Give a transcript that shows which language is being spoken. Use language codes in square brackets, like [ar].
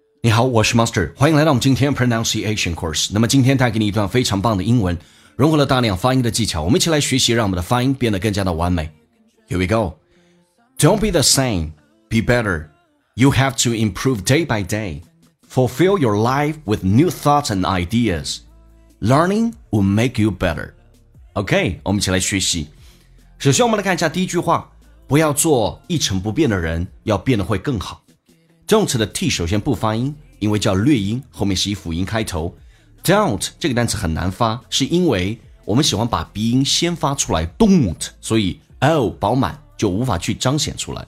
[zh] 好，我是 Master， 欢迎来到我们今天 Pronunciation Course。那么今天带给你一段非常棒的英文，融合了大量发音的技巧，我们一起来学习，让我们的发音变得更加的完美。 [en] Here we go. Don't be the same, be better. You have to improve day by day. Fulfill your life with new thoughts and ideas. Learning will make you better. [zh] OK, 我们一起来学习。首先我们来看一下第一句话，不要做一成不变的人，要变得会更好。动词的 T 首先不发音，因为叫略音，后面是以辅音开头。 Don't 这个单词很难发，是因为我们喜欢把鼻音先发出来， Don't， 所以 O 饱满就无法去彰显出来。